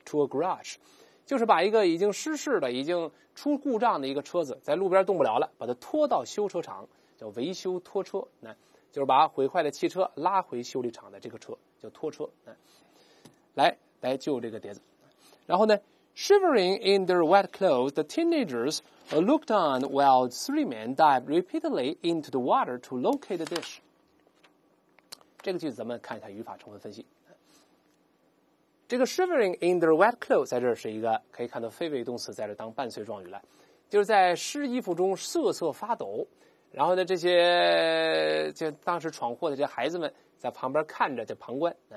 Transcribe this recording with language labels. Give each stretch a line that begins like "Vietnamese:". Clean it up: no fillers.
English: to a garage,
Chinese: 就是把一个已经失事的已经出故障的一个车子在路边动不了了，把它拖到修车厂，叫维修拖车，就是把毁坏的汽车拉回修理厂的这个车叫拖车，来救这个碟子。然后呢
English: Shivering in their wet clothes, the teenagers looked on while three men dived repeatedly into the water to locate the dish.
Chinese: 这个句子咱们看一下语法成分分析。这个
English: Shivering in their wet clothes
Chinese: 在这是一个可以看到非谓动词在这当伴随状语了，就是在湿衣服中瑟瑟发抖，然后呢这些就当时闯祸的这些孩子们在旁边看着，在旁观。